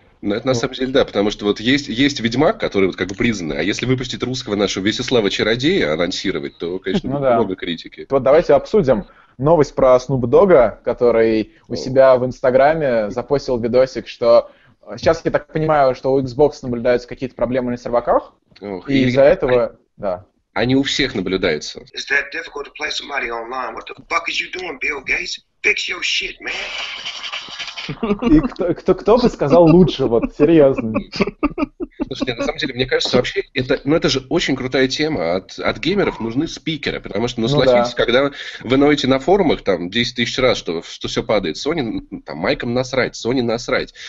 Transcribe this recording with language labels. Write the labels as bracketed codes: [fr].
[ru] Ну, это на самом деле да, потому что вот есть Ведьмак, который вот как бы признанный, а если выпустить русского нашего Весеслава Чародея анонсировать, то, конечно, ну, да, много критики. Вот давайте обсудим новость про Snoop Dogg, который у себя в Инстаграме запостил видосик, что сейчас я так понимаю, что у Xbox наблюдаются какие-то проблемы на серваках, и из-за этого... Да. Они у всех наблюдаются. [en] Is that difficult to play somebody online? What the fuck is you doing, Bill Gates? Fix your shit, man! [ru] И кто бы сказал лучше, вот, серьезно. Слушай, на самом деле, мне кажется, вообще, это, ну, это же очень крутая тема. От геймеров нужны спикеры, потому что, ну, согласитесь, да, когда вы ноете на форумах там 10 тысяч раз, что все падает, Sony, там, Майком насрать, Sony насрать.